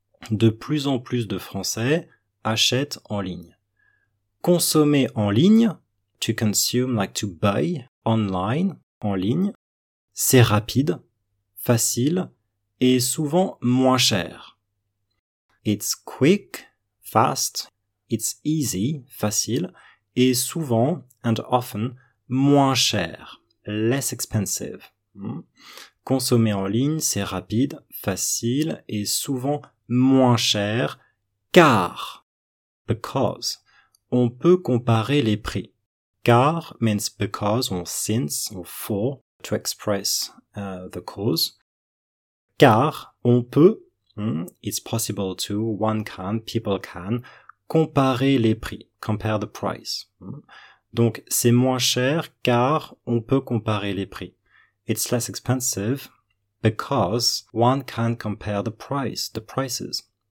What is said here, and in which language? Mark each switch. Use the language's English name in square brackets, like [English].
[French] De plus en plus de Français achètent en ligne. Consommer en ligne, [English] to consume, like to buy, online, [French] en ligne, c'est rapide, facile et souvent moins cher. [English] It's quick, fast, it's easy, [French] facile, et souvent, [English] and often, [French] moins cher, [English] less expensive. [French] Consommer en ligne, c'est rapide, facile et souvent moins cher, car, [English] because. [French] On peut comparer les prix. [English] Car means because, or since, or for, to express the cause. [French] car on peut, [English] it's possible to, one can, people can, [French] comparer les prix, [English] compare the price. [French] Donc, c'est moins cher car on peut comparer les prix. [English] It's less expensive because one can compare the price, the prices.